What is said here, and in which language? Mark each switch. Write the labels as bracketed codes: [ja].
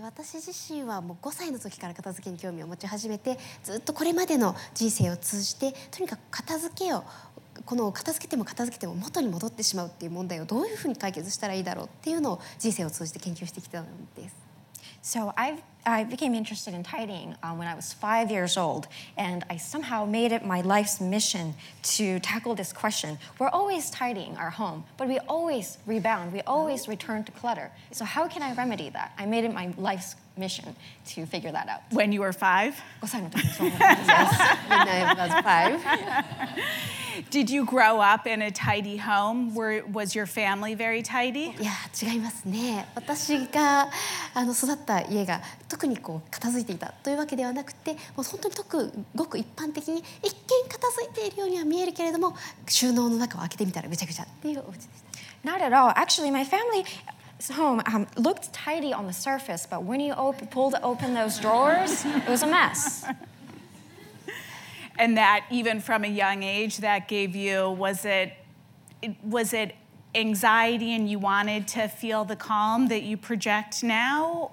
[ja] 私自身はもう5歳の時から片付けに興味を持ち始めて、ずっとこれまでの人生を通じて、とにかく片付けを、この片付けても片付けても元に戻ってしまうっていう問題をどういうふうに解決したらいいだろうっていうのを人生を通じて研究してきたんです。 [en] So I became interested in tidying when I was 5 years old, and I somehow made it my life's mission to tackle this question. We're always tidying our home, but we always rebound, we always return to clutter. So how can I remedy that? I made it my life's mission to figure that out. When you were 5? Yes, when I was 5. Did you grow up in a tidy home? Was your family very tidy? [ja] Yeah, 違いますね。私が育った家が特にこう片付いていたというわけではなくて、もう本当に特ごく一般的に一見片付いているようには見えるけれども、収納の中を開けてみたらぐちゃぐちゃっていうお家でした。 [en] Not at all. Actually, my family home looked tidy on the surface, but when you pulled open those drawers, it was a mess. And that, even from a young age, that gave you, was it anxiety and you wanted to feel the calm that you project now?